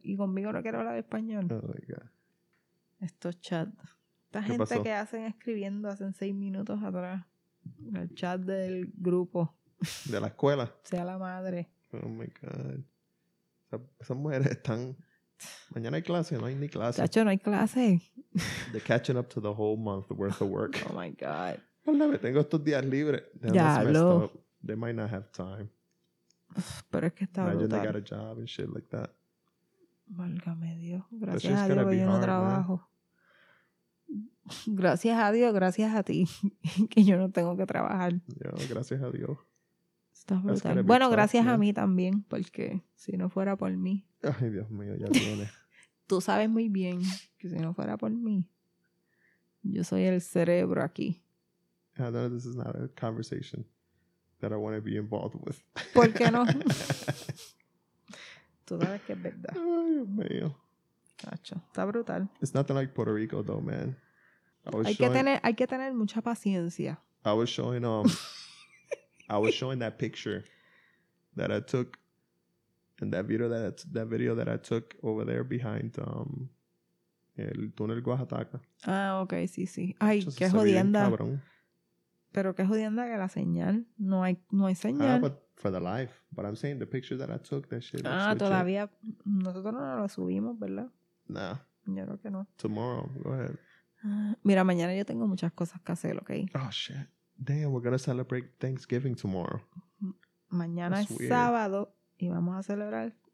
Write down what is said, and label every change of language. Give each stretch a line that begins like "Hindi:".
Spanish: Y conmigo no quiero hablar español. Oh, my God. Estos chats. Esta gente pasó? Que hacen escribiendo hace 6 minutos atrás. En el chat del grupo. ¿De la escuela? Sea la madre. Oh, my God. Esas mujeres están... Mañana hay clase, no hay ni clase. Chacho, no hay clase.
English: They're catching up to the whole month worth of work. Oh, my God.
Spanish: Hola, tengo estos días libres. Déjame ya, lo...
English: They might not have time.
Spanish: Pero es que está brutal.
English: Imagine they got a job and shit like that.
Spanish: Válgame Dios. Gracias a Dios que yo no trabajo. Man. Gracias a Dios, gracias a ti, que yo no tengo que trabajar. Yo, gracias a Dios. Está brutal. Bueno, gracias a mí también, porque si no fuera por mí. Ay, Dios mío, ya viene. Tú sabes muy bien que si no fuera por mí, yo soy el cerebro aquí.
English: I know this is not a conversation that I want to be involved with.
Spanish: ¿Por qué no? Tú sabes que es verdad. Ay, Dios mío. Cacho, está brutal.
English: It's nothing like Puerto Rico, though, man.
Spanish: Hay que tener mucha paciencia.
English: I was showing that picture that I took and that video that I took over there behind el túnel Guajataca.
Spanish: Ah, okay, sí. Ay, qué jodienda. Pero qué jodienda que la señal. No hay señal.
English: But for the life. But I'm saying the picture that I took, that shit.
Spanish: Ah, todavía. Nosotros no la subimos, ¿verdad?
English: Nah.
Spanish: Yo creo que no.
English: Tomorrow, go ahead.
Spanish: Mira, mañana yo tengo muchas cosas que hacer, ¿ok?
English: Oh, shit. Damn, we're gonna celebrate Thanksgiving tomorrow.
Spanish: Mañana That's es weird. Sábado y vamos a celebrar